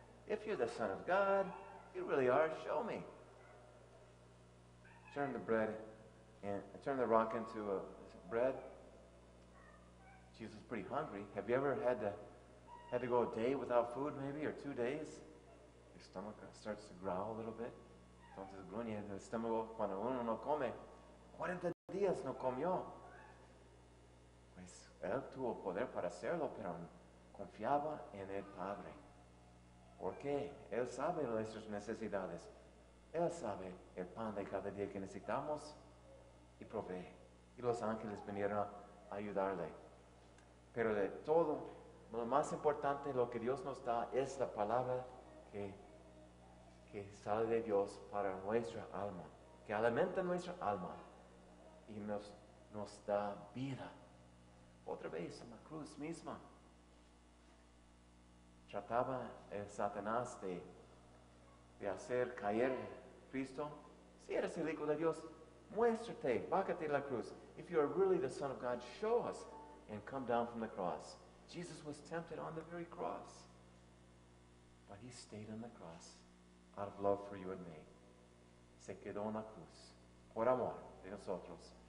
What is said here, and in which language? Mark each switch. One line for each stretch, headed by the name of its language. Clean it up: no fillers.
English: If you're the Son of God, you really are, show me. Turn the bread and turn the rock into a bread. Jesus was pretty hungry. Have you ever had to go a day without food, maybe, or 2 days? Your stomach starts to growl a little bit.
Spanish: Entonces gruñe el estómago cuando uno no come. 40 días no comió. Pues él tuvo poder para hacerlo, pero confiaba en el Padre. ¿Por qué? Él sabe nuestras necesidades. Él sabe el pan de cada día que necesitamos y provee. Y los ángeles vinieron a ayudarle. Pero de todo, lo más importante, lo que Dios nos da, es la palabra que sale de Dios para nuestra alma, que alimenta nuestra alma y nos da vida. Otra vez, en la cruz misma, trataba el Satanás de hacer caer a Cristo. Si eres el Hijo de Dios, muéstrate, bájate la cruz.
English: If you are really the Son of God, show us and come down from the cross. Jesus was tempted on the very cross, but he stayed on the cross out of love for you and me.
Spanish: Se quedó en la cruz por amor de nosotros.